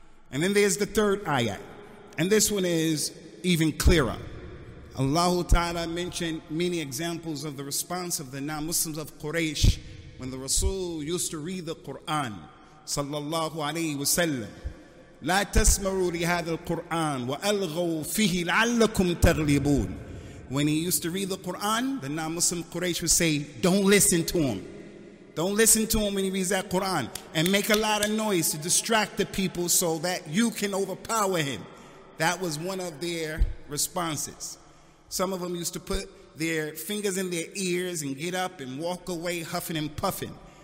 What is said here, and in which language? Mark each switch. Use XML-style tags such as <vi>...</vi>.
<en>And then there's the third ayat. And this one is even clearer. Allah Ta'ala mentioned many examples of the response of the non-Muslims of Quraysh when the Rasul used to read the Quran, sallallahu alayhi wa sallam.</en> <ar>لا تسمعوا لهذا القرآن وألغوا فيه لعلكم تغلبون.</ar> <en>When he used to read the Quran, the non-Muslim Quraysh would say, don't listen to him. Don't listen to him when he reads that Quran. And make a lot of noise to distract the people so that you can overpower him. That was one of their responses. Some of them used to put their fingers in their ears and get up and walk away huffing and puffing.</en>